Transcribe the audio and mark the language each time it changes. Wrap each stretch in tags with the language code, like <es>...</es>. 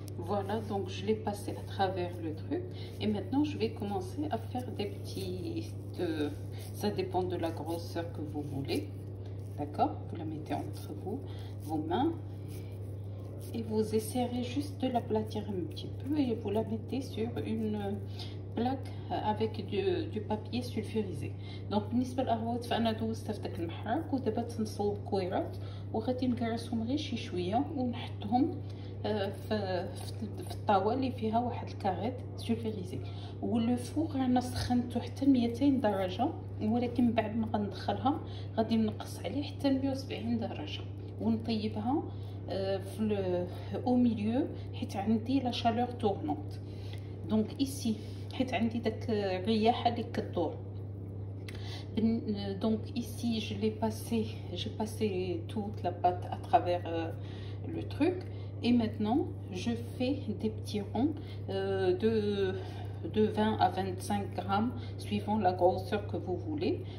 <fr>Voilà, donc je l'ai passé à travers le truc, et maintenant je vais commencer à faire des petits ça dépend de la grosseur que vous voulez, d'accord, vous la mettez entre vous vos mains et vous essayerez juste de l'aplatir un petit peu, et vous la mettez sur une plaque avec du papier sulfurisé.</fr> <ar>Donc بالنسبه للاروات فانا دوزت في داك المحرك ودابا تنصوب كويرات وغادي نكرسهم غير شي شويه ونحطهم في الطاوله اللي فيها واحد الكاريت سولفيريزي. ولو فور انا سخنته حتى 200 درجه، ولكن بعد ما غندخلها غادي نقص عليه حتى 170 درجه ونطيبها في الاوميليو حيت عندي لا شالور تورنونت. دونك ici حيت عندي داك الرياحه اللي كدور.</ar> <fr>دونك ici j'ai passé toute la pâte à travers le truc et maintenant je fais des petits ronds de 20 à 25 grammes suivant la grosseur que vous voulez.</fr>